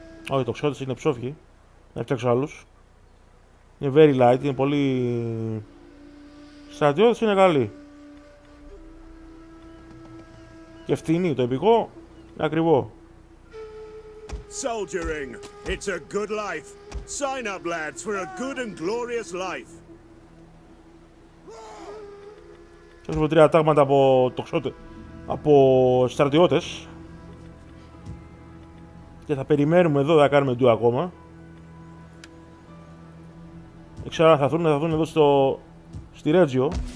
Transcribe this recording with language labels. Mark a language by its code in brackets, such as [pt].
[el] Όχι, το ξέρω ότι είναι ψόφιοι. Να φτιάξω άλλους. Είναι [en] very light, [el] είναι πολύ. Στρατιώτες είναι καλή. Και φτηνή, το επικό είναι ακριβό. [en] Soldiering. It's a good life. Sign up, lads, for a good and glorious life. [el] Έχουμε τρία τάγματα από τοξότε. Από στρατιώτες. Και θα περιμένουμε εδώ, θα κάνουμε ντου ακόμα. Δεν ξέρω αν θα δουν, θα δουν εδώ στο... στη Ρέτζιο.